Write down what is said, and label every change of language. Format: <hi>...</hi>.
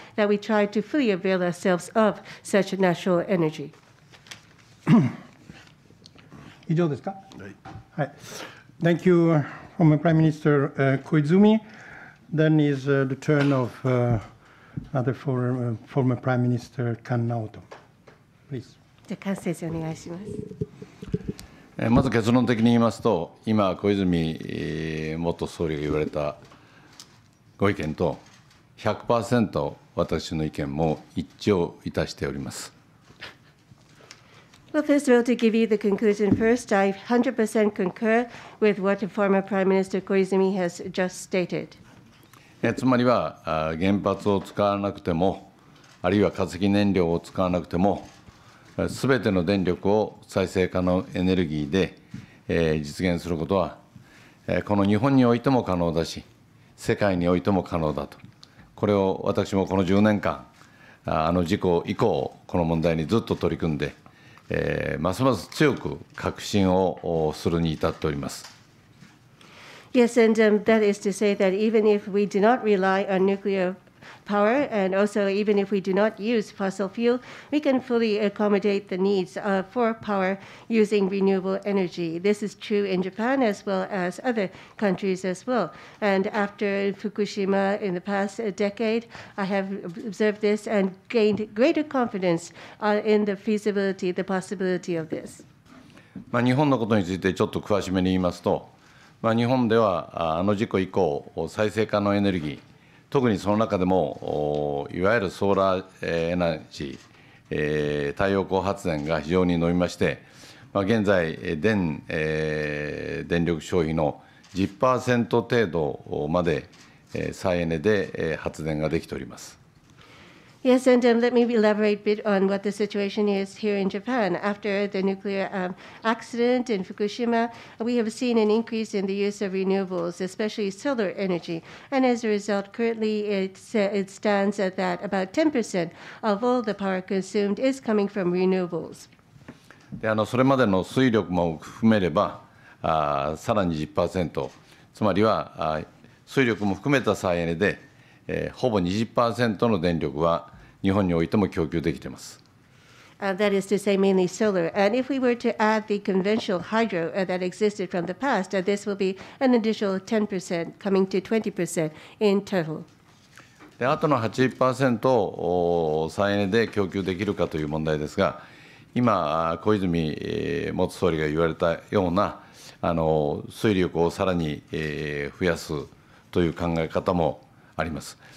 <en>That we try to fully avail ourselves of such natural energy.</en> <ja>以上ですか。はい。</ja> <en>Thank you, former Prime Minister Koizumi. Then is the turn of another former Prime Minister Kan Naoto. Please.</en> <ja>じゃあ、菅先生お願いします。まず結論的に言いますと、今小泉元総理が言われたご意見と。 100% 私の意見も一致をいたしております。</ja> <en>Well, first of all, to give you the conclusion first, I 100% concur with what former Prime Minister Koizumi has just stated.</en> <ja>つまりは、原発を使わなくても、あるいは化石燃料を使わなくても、すべての電力を再生可能エネルギーで、実現することは、この日本においても可能だし、世界においても可能だと。これを私もこの10年間あの事故以降この問題にずっと取り組んで、ますます強く確信をするに至っております。</ja> <en>Yes, and that is to say that even if we do not rely on nuclear power and also even if we do not use fossil fuel, we can fully accommodate the needs for power using renewable energy. This is true in Japan as well as other countries as well. And after Fukushima in the past decade, I have observed this and gained greater confidence in the feasibility, the possibility of this.</en> <ja>まあ日本のことについてちょっと詳しめに言いますと、まあ日本ではあの事故以降再生可能エネルギー特にその中でもいわゆるソーラーエナジー太陽光発電が非常に伸びまして現在 電力消費の 10% 程度まで再エネで発電ができております。</ja> <en>Yes, and let me elaborate a bit on what the situation is here in Japan. After the nuclear accident in Fukushima, we have seen an increase in the use of renewables, especially solar energy. And as a result, currently it stands at that about 10% of all the power consumed is coming from renewables.</en> <ja>で、それまでの水力も含めれば、さらに 10%、つまりは水力も含めた再エネで、ほぼ 20% の電力は日本においても供給できています。</ja> <en>That is to say mainly solar. And if we were to add the conventional hydro that existed from the past, this will be an additional 10%, coming to 20% in total.</en> <ja>で、あとの 80% を再エネで供給できるかという問題ですが、今、小泉元総理が言われたような、水力をさらに増やすという考え方もあります。</ja>